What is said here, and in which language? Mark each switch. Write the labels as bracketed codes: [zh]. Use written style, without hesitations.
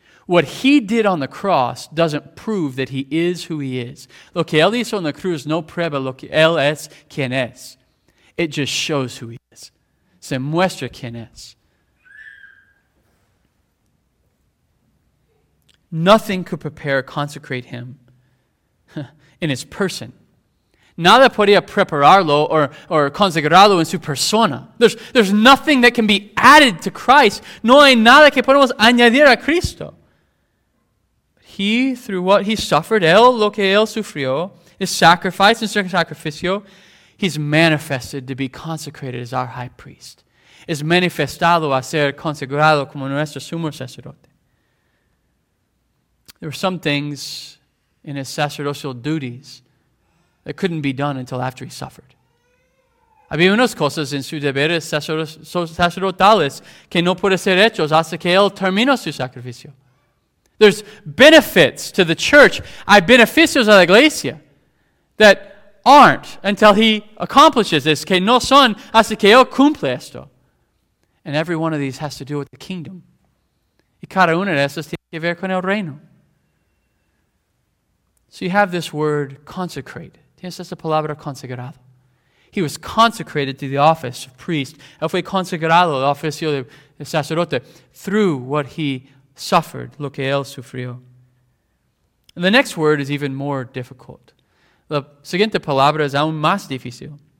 [en] What he did on the cross doesn't prove that he is who he is. [es] Lo que él hizo en la cruz no prueba lo que él es quien es. [en] It just shows who he is. [es] Se muestra quien es. [en] Nothing could prepare or consecrate him in his person. [es] Nada podía prepararlo or consagrarlo en su persona. [en] There's nothing that can be added to Christ. [es] No hay nada que podemos añadir a Cristo. [en] He, through what he suffered, [es] él, lo que él sufrió, [en] his sacrifice and sacrificio, he's manifested to be consecrated as our high priest. [es] Es manifestado a ser consagrado como nuestro sumo sacerdote. [en] There were some things in his sacerdotal duties that couldn't be done until after he suffered. [es] Había unas cosas en sus deberes sacerdotales que no pueden ser hechos hasta que él terminó su sacrificio. [en] There's benefits to the church, [es] hay beneficios a la iglesia, [en] that aren't until he accomplishes this, [es] que no son hasta que él cumple esto. [en] And every one of these has to do with the kingdom. [es] Y cada una de esas tiene que ver con el reino. [en] So you have this word, consecrate. [es] Tienes esta palabra, consagrado. [en] He was consecrated to the office of priest. [es] Él fue consagrado al oficio de sacerdote [en] through what he suffered, [es] lo que él sufrió. [en] And the next word is even more difficult. [es] La siguiente palabra es aún más difícil.